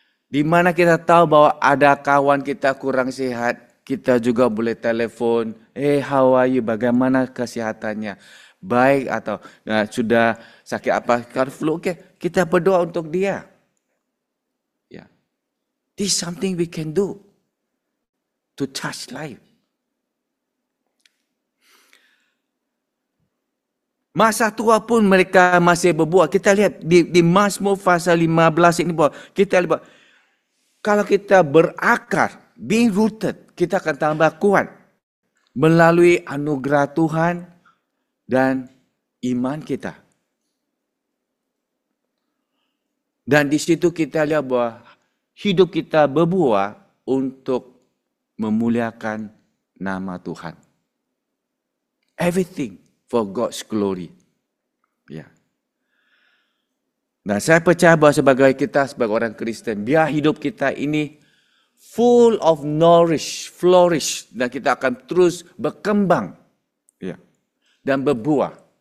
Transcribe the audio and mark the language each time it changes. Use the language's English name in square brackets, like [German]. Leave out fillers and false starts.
[Indonesian] Di mana kita tahu bahwa ada kawan kita kurang sehat, kita juga boleh telepon, [English] hey, how are you? [Indonesian] Bagaimana kesehatannya? Baik atau nah, sudah sakit apa? Kalau flu, okay. Kita berdoa untuk dia. Yeah. [English] This is something we can do to touch life. [Indonesian] Masa tua pun mereka masih berbuah. Kita lihat di Mazmur pasal 15 ini, kita lihat kalau kita berakar, [English] being rooted, [Indonesian] kita akan tambah kuat melalui anugerah Tuhan dan iman kita. Dan di situ kita lihat bahwa hidup kita berbuah untuk memuliakan nama Tuhan. [English] Everything for God's glory. [Indonesian] Ya. Dan saya percaya bahwa sebagai kita, sebagai orang Kristen, biar hidup kita ini [English] full of nourish, flourish, [Indonesian] dan kita akan terus berkembang, yeah, dan berbuah.